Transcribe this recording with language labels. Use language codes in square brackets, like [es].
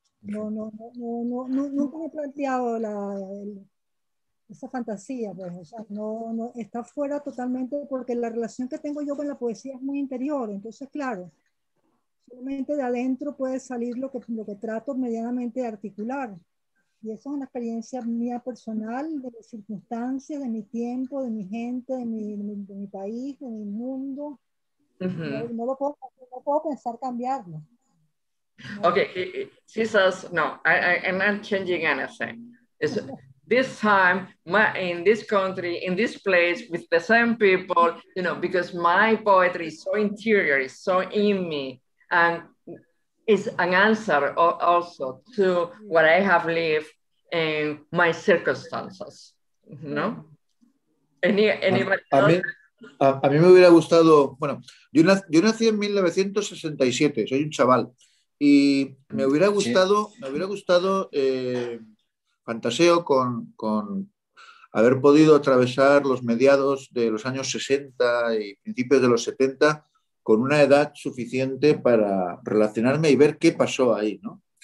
[es] Nunca me he planteado esa fantasía, pues, o sea, no está fuera totalmente, porque la relación que tengo yo con la poesía es muy interior, entonces claro, solamente de adentro puede salir lo que trato medianamente de articular. Y eso es una experiencia mía personal, de mis circunstancias, de mi tiempo, de mi gente, de mi país, de mi mundo. Uh-huh. No puedo pensar cambiarlo. [en] Okay, she says, no, I'm not changing anything. It's this time, in this country, in this place, with the same people, you know, because my poetry is so interior, it's so in me, and it's an answer also to what I have lived in my circumstances, no? Anybody else? [es] A mí me hubiera gustado, bueno, yo nací en 1967, soy un chaval, y me hubiera gustado fantaseo con haber podido atravesar los mediados de los años 60 y principios de los 70 con una edad suficiente para relacionarme y ver qué pasó ahí, ¿no?